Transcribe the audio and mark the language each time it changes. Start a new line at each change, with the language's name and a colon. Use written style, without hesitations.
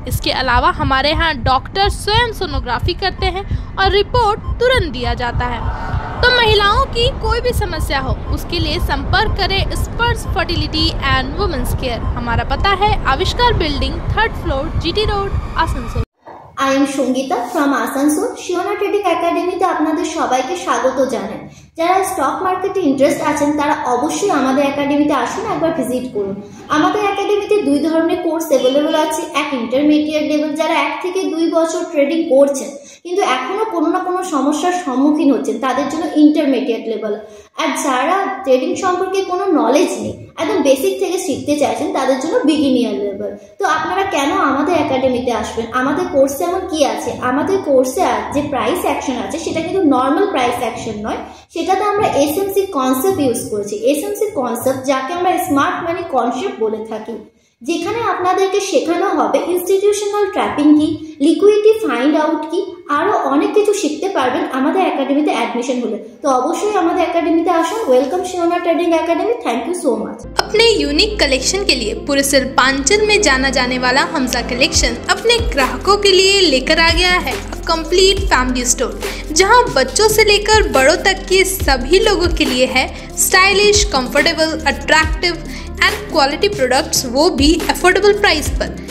Hindi: इसके अलावा हमारे यहाँ डॉक्टर स्वयं सोनोग्राफी करते हैं और रिपोर्ट तुरंत दिया जाता है। तो महिलाओं की कोई भी समस्या हो, उसके लिए संपर्क करें स्पर्स फर्टिलिटी एंड वुमेन्स केयर। हमारा पता है आविष्कार building, 3rd floor, GT road, Asansol.
English: I am
Bangla: Sangeeta from Asansol. শিওনা trading একাডেমিতে আপনাদের সবাইকে স্বাগত জানাই। যারা স্টক মার্কেটে ইন্টারেস্ট আছেন তারা অবশ্যই আমাদের একাডেমিতে আসুন, একবার ভিজিট করুন। আমাদের একাডেমিতে দুই ধরনের কোর্স অ্যাভেলেবল আছে। এক ইন্টারমিডিয়েট লেভেল, যারা 1 থেকে 2 বছর ট্রেডিং করছেন কিন্তু এখনও কোনো না কোনো সমস্যার সম্মুখীন হচ্ছেন, তাদের জন্য ইন্টারমিডিয়েট লেভেল। আর যারা ট্রেডিং সম্পর্কে কোনো নলেজ নেই, একদম বেসিক থেকে শিখতে চাইছেন, তাদের জন্য বিগিনিয়ার লেভেল। তো আপনারা কেন আমাদের একাডেমিতে আসবেন? আমাদের কোর্সে এমন কী আছে? আমাদের কোর্সে যে প্রাইস অ্যাকশন আছে সেটা কিন্তু নর্মাল প্রাইস অ্যাকশন নয়, সেটাতে আমরা SMC কনসেপ্ট ইউজ করেছি। SMC কনসেপ্ট, যাকে আমরা স্মার্ট মানি কনসেপ্ট বলে থাকি, যেখানে আপনাদেরকে শেখানো হবে ইনস্টিটিউশনাল ট্র্যাপিং কি, লিকুইডিটি ফাইন্ড আউট কি, আরও অনেক কিছু শিখতে পারবেন আমাদের একাডেমিতে অ্যাডমিশন হলে। তো অবশ্যই আমাদের একাডেমিতে আসুন। Welcome শিওনা trading academy, thank you so much.
Hindi: अपने यूनिक कलेक्शन के लिए पूरे सिल्पांचल में जाना जाने वाला हमजा कलेक्शन अपने ग्राहकों के लिए लेकर आ गया है कंप्लीट फैमिली स्टोर, जहां बच्चों से लेकर बड़ों तक के सभी लोगों के लिए है stylish, comfortable, attractive and quality products, वो भी अफोर्डेबल प्राइस पर।